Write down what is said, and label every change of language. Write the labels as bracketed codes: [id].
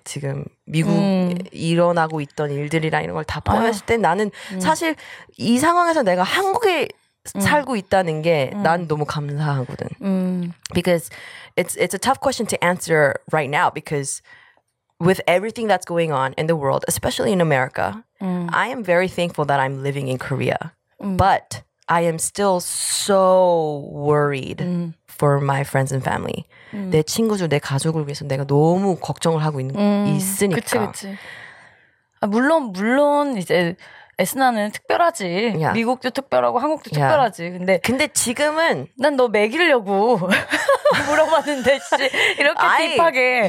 [ko] 지금 미국 일어나고 있던 일들이랑 이런 걸 다 포함했을 때 나는 사실 이 상황에서 내가 한국에 살고 있다는 게 난 너무 감사하거든. [en] Because it's a tough question to answer right now because with everything that's going on in the world, especially in America, I am very thankful that I'm living in Korea. But I am still so worried for my friends and family. [ko] 내 친구들, 내 가족을 위해서 내가 너무 걱정을 하고 있으니까. 그치, 그치. 아, 물론 이제 에스나는 특별하지. Yeah. 미국도 특별하고 한국도 yeah. 특별하지. 근데 지금은 난 너 매기려고 물어봤는데 씨 이렇게 딥하게.